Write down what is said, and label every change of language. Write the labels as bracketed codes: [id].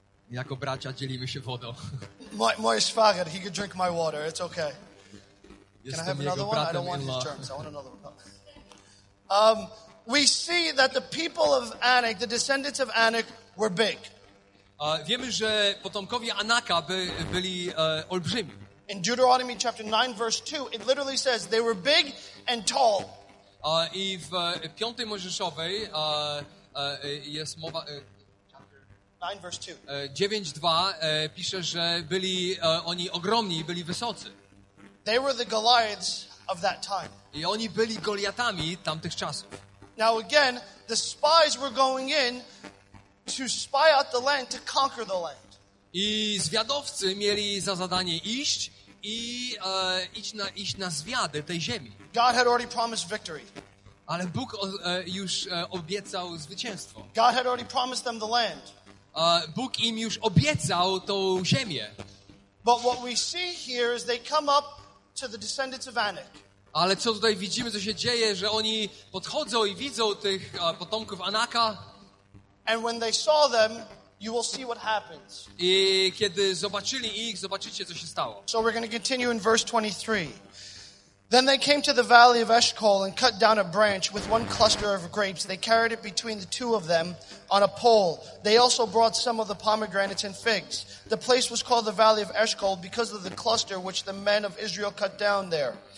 [pl] Jako bracia dzielimy się wodą. [en] My schwager, he could drink my water. It's okay. [pl] Jestem. [en] Can I have another one? I don't want his germs. I want another one. We see that the people of Anak, the descendants of Anak, were big. [pl] Wiemy, że potomkowie Anaka byli olbrzymi. [en] In Deuteronomy chapter 9 verse 2 it literally says they were big and tall. [pl] I w piątej Mojżeszowej jest mowa [en] chapter 9 verse 2 [pl] pisze, że byli oni ogromni, byli wysocy. [en] They were the Goliaths of that time. [pl] I oni byli Goliatami tamtych czasów. [en] Now again, the spies were going in to spy out the land, to conquer the land. [pl] I zwiadowcy mieli za zadanie iść i iść na zwiady tej ziemi. [en] God had already promised victory. [pl] Ale Bóg już obiecał zwycięstwo. [en] God had already promised them the land. [pl] Bóg im już obiecał tą ziemię. [en] But what we see here is they come up to the descendants of Anak. [pl] Ale co tutaj widzimy, co się dzieje, że oni podchodzą i widzą tych potomków Anaka. [en] And when they saw them, you will see what happens. [pl] I kiedy zobaczyli ich, zobaczycie, co się stało. [en] So we're going to continue in verse 23. Then they came to the valley of Eshcol and cut down a branch with one cluster of grapes. They carried it between the two of them on a pole. They also brought some of the pomegranates and figs. The place was called the valley of Eshcol because of the cluster which the men of Israel cut down there.